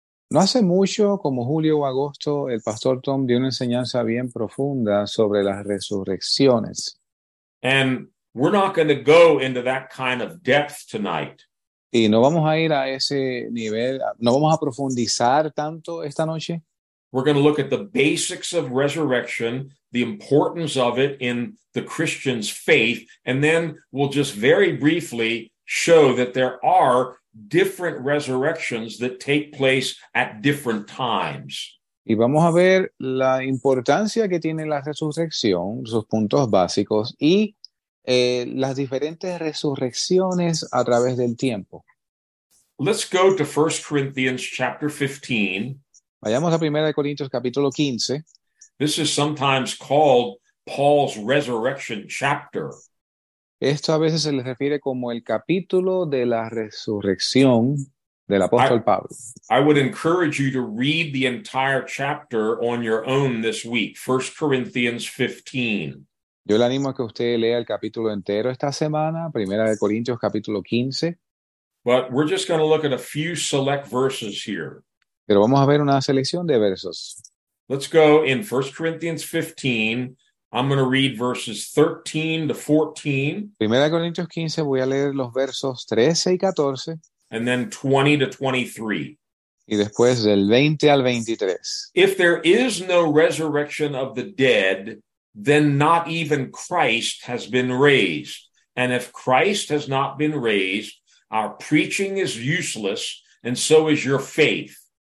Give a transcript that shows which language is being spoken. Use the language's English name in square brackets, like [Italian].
[Spanish] No hace mucho, como julio o agosto, el pastor Tom dio una enseñanza bien profunda sobre las resurrecciones. [English] And we're not going to go into that kind of depth tonight. [Spanish] Y no vamos a ir a ese nivel, no vamos a profundizar tanto esta noche. [English] We're going to look at the basics of resurrection, the importance of it in the Christian's faith, and then we'll just very briefly show that there are different resurrections that take place at different times. [Spanish] Y vamos a ver la importancia que tiene la resurrección, sus puntos básicos, y las diferentes resurrecciones a través del tiempo. [English] Let's go to 1 Corinthians chapter 15. [Spanish] Vayamos a 1 Corintios capítulo 15. [English] This is sometimes called Paul's resurrection chapter. [Spanish] Esto a veces se les refiere como el capítulo de la resurrección del apóstol Pablo. [English] I would encourage you to read the entire chapter on your own this week, 1 Corinthians 15. [Spanish] Yo le animo a que usted lea el capítulo entero esta semana, Primera de Corintios capítulo 15. [English] But we're just going to look at a few select verses here. [Spanish] Pero vamos a ver una selección de versos. [English] Let's go in 1 Corinthians 15. I'm going to read verses 13 to 14. [Spanish] Primera de Corintios 15, voy a leer los versos 13 y 14. [English] And then 20 to 23. [Spanish] Y después del 20 al 23. [English] If there is no resurrection of the dead, then not even Christ has been raised. And if Christ has not been raised, our preaching is useless, and so is your faith.